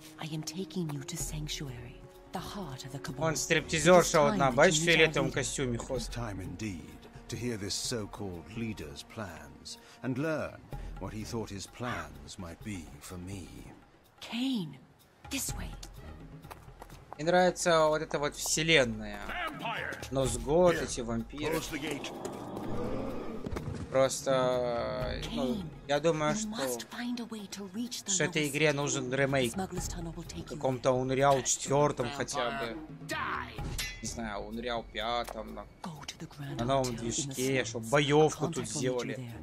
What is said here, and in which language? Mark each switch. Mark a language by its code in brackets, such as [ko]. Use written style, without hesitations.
[en] I am taking you to Sanctuary, the heart of the Cabal. [ru] Он стриптизерша одна, бачиш, в фиолетовом костюме ходит. [en] It's time indeed to hear this so-called leader's plans and learn what he thought his plans might be for me. Kane, this way. [ru] Мне нравится вот эта вот вселенная. Но с год эти вампиры. Просто, ну, я думаю, что в этой игре нужен ремейк. В каком-то Unreal 4 хотя бы. Не знаю, Unreal 5 на новом движке, чтобы боевку тут сделали.